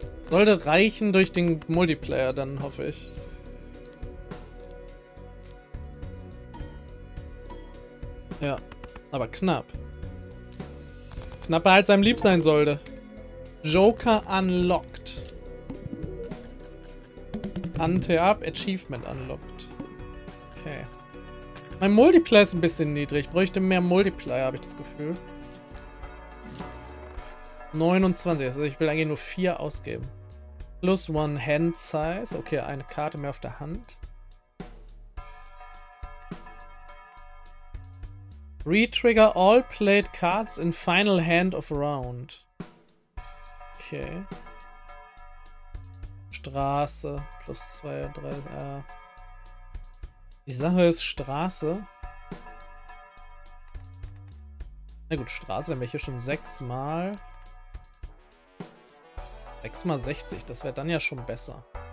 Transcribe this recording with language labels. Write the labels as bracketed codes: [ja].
[de] Sollte reichen durch den Multiplayer, dann hoffe ich. Ja, aber knapp. Knapper als einem lieb sein sollte. [en] Joker unlocked. Ante up, Achievement unlocked. Okay. [de] Mein Multiplayer ist ein bisschen niedrig. Ich bräuchte mehr Multiplayer, habe ich das Gefühl. 29, also ich will eigentlich nur 4 ausgeben. [en] Plus one hand size. [de] Okay, eine Karte mehr auf der Hand. [en] Retrigger all played cards in final hand of round. Okay. [de] Straße plus 2, 3, Die Sache ist Straße. Na gut, Straße, dann wäre ich hier schon 6 mal. 6 mal 60, das wäre dann ja schon besser.